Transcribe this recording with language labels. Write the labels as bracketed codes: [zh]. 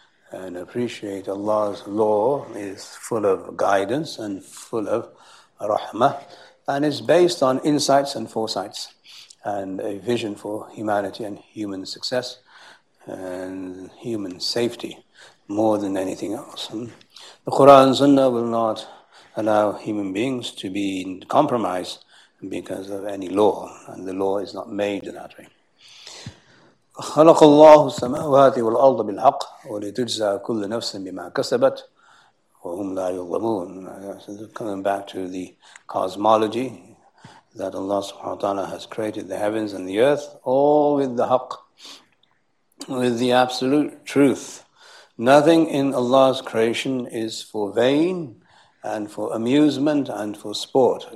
[en] and appreciate Allah's law is full of guidance and full of rahmah, and is based on insights and foresights and a vision for humanity and human success and human safety more than anything else. And the Quran and Sunnah will not allow human beings to be in compromise because of any law, and the law is not made in that way. [ar] خلق الله السماوات والأرض بالحق ولتجزى كل نفس بما كسبت وهم لا يظلمون. [en] Coming back to the cosmology, that Allah subhanahu wa ta'ala has created the heavens and the earth all with the haqq, with the absolute truth. Nothing in Allah's creation is for vain and for amusement and for sport.